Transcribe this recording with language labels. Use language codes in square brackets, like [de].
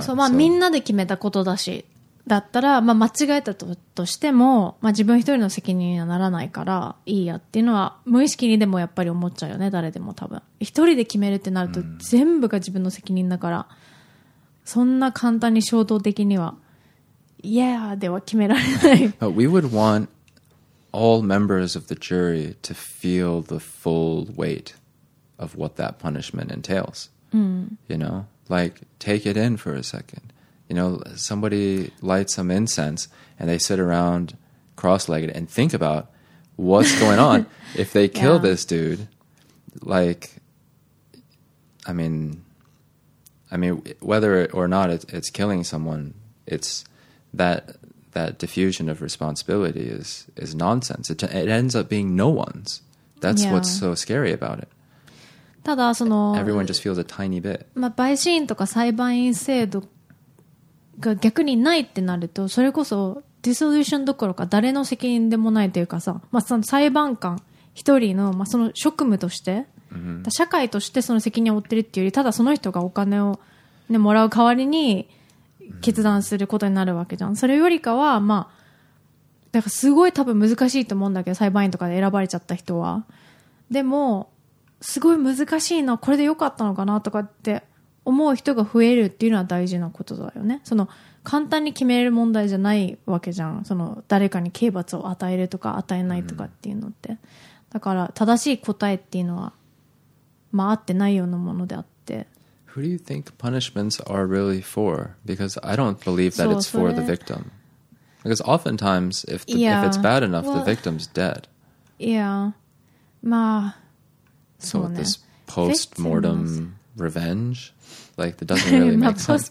[ja] So, まあ、みんなで決めたことだし、だったら、まあ、間違えたとしても、まあ、自分一人の責任にはならないからいいやっていうのは無意識にでもやっぱり思っちゃうよね、誰でも多分。一人で決めるってなると全部が自分の責任だから、そんな簡単に衝動的には yeah では決められない [en] But we would want all members of the jury to feel the full weight of what that punishment entails、 mm. you know like take it in for a second you know somebody lights some incense and they sit around cross-legged and think about what's going on if they kill、yeah. this dude like I mean whether or not it's killing someone it's that diffusion of responsibility is nonsense it ends up being no one's that's、yeah. what's so scary about it [ja] ただその、 [en] Everyone just feels a tiny bit. [ja] まあ、陪審とか裁判員制度が逆にないってなるとそれこそディソリューションどころか誰の責任でもないというかさ、まあ、その裁判官一人 の、まあ、その職務として、 mm-hmm. 社会としてその責任を負ってるっていうよりただその人がお金を、ね、もらう代わりに決断することになるわけじゃん、mm-hmm. それよりかは、まあ、だからすごい多分難しいと思うんだけど裁判員とかで選ばれちゃった人はでもすごい難しいなこれで良かったのかなとかって思う人が増えるっていうのは大事なことだよねその簡単に決める問題じゃないわけじゃんその誰かに刑罰を与えるとか与えないとかっていうのって、うん、だから正しい答えっていうのはまあ合ってないようなものであって [en] Who do you think punishments are really for? Because I don't believe that it's for the victim Because oftentimes if it's bad enough well, the victim's dead Yeah まあ So this post-mortem revenge, like, it doesn't really make sense.